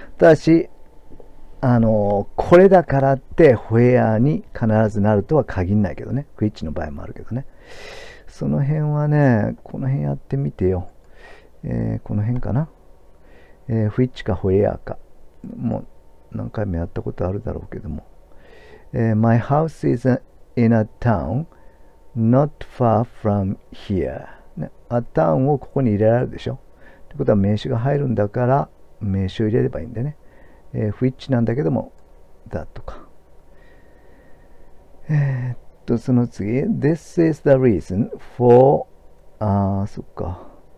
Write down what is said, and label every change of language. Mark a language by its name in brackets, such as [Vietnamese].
[Japanese] ただし、これだからってフェアに必ずなるとは限らないけどね。フィッチの場合もあるけどね。その辺はね、この辺やってみてよ。この辺かな。フィッチかフェアか。もう何回もやったことあるだろうけども。 [English] My house is in a town not far from here。 [Japanese] ね、 [English] a town [Japanese] をここに入れられるでしょ。ってことは名詞が入るんだから、名詞を入れればいいんだね。 which なんだけども、だとか。その次。 [English] This is the reason for、 [Japanese] そっか。